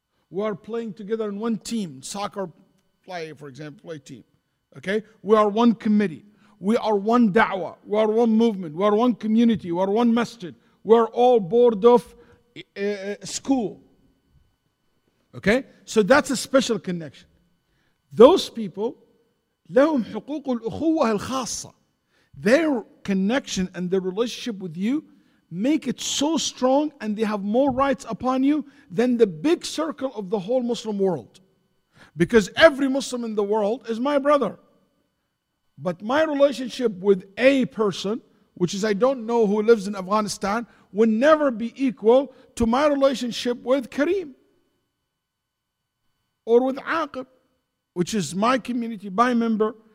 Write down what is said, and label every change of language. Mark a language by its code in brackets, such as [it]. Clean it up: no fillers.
[en] We are playing together in one team, soccer play, for example, play team. Okay? We are one committee. We are one da'wah. We are one movement. We are one community. We are one masjid. We are all board of school. Okay? So that's a special connection. Those people, [ar] لهم حقوق الأخوة الخاصة. [en] Their connection and their relationship with you make it so strong and they have more rights upon you than the big circle of the whole Muslim world. Because every Muslim in the world is my brother. But my relationship with a person, which is I don't know who lives in Afghanistan, will never be equal to my relationship with Kareem or with Aqib, which is my community, my member.